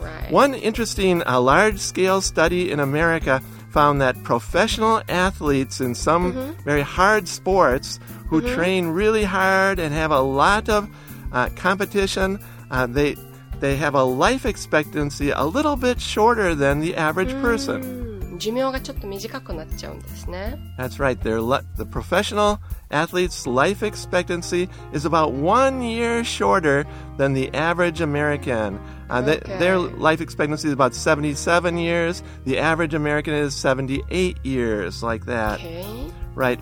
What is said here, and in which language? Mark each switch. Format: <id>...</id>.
<en>One interesting large-scale study in America found that professional athletes in some very hard sports who train really hard and have a lot of competition, they have a life expectancy a little bit shorter than the average person.</en> <ja>寿命がちょっと短くなっちゃうんですね。</ja> <en>That's right. The professional athlete's life expectancy is about 1 year shorter than the average American. Their life expectancy is about 77 years. The average American is 78 years, like that. Right.</en>